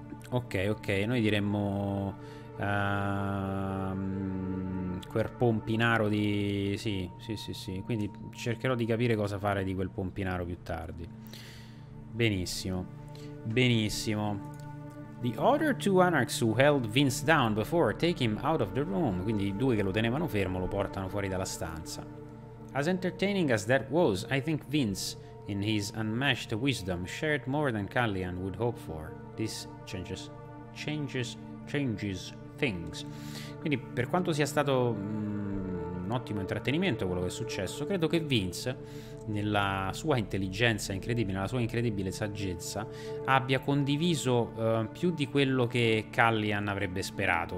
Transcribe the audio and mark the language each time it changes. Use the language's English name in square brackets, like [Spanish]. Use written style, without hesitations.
[Italian] Ok, noi diremmo quel pompinaro di. Sì. Quindi cercherò di capire cosa fare di quel pompinaro più tardi. Benissimo, benissimo. [English] The other two anarchs who held Vince down before take him out of the room. [Italian] Quindi i due che lo tenevano fermo lo portano fuori dalla stanza. [English] As entertaining as that was, I think Vince, in his unmatched wisdom, shared more than Callian would hope for. This changes things. [Italian] Quindi, per quanto sia stato un ottimo intrattenimento quello che è successo, credo che Vince, nella sua intelligenza incredibile, nella sua incredibile saggezza, abbia condiviso più di quello che Callian avrebbe sperato.